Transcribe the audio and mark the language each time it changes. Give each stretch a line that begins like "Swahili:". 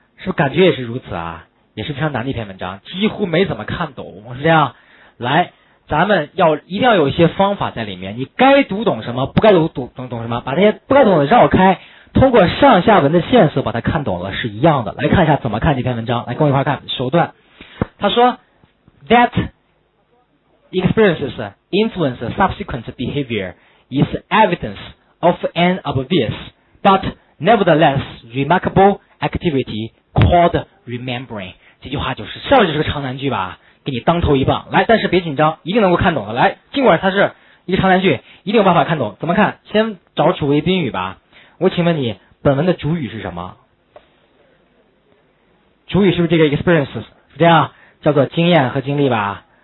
Chinese: 是不是感觉也是如此啊？也是非常难的一篇文章，几乎没怎么看懂，是这样。来，咱们要一定要有一些方法在里面，你该读懂什么，不该懂什么，把这些不该懂的绕开，通过上下文的线索把它看懂了是一样的。来看一下怎么看这篇文章，来跟我一块看。首段，他说
English: that experiences influence subsequent behavior is evidence of an obvious but nevertheless remarkable activity called remembering。
Chinese: 这句话就是上面就是个长难句吧，给你当头一棒，来，但是别紧张，一定能够看懂的。来，尽管它是一个长难句，一定有办法看懂。怎么看？先找主谓宾语吧。我请问你，本文的主语是什么？主语是不是这个 experiences？ 是这样，叫做经验和经历吧。